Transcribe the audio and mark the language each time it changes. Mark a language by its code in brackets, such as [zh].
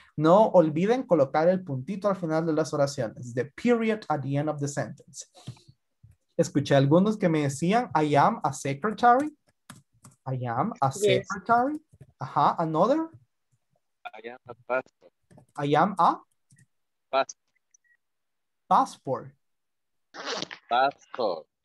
[es] No olviden colocar el puntito al final de las oraciones. [en] The period at the end of the sentence. [es] Escuché a algunos que me decían, [en] I am a secretary. I am a secretary. Ajá. Yes. Uh-huh. Another. I am a pastor. I am a passport. Pastor.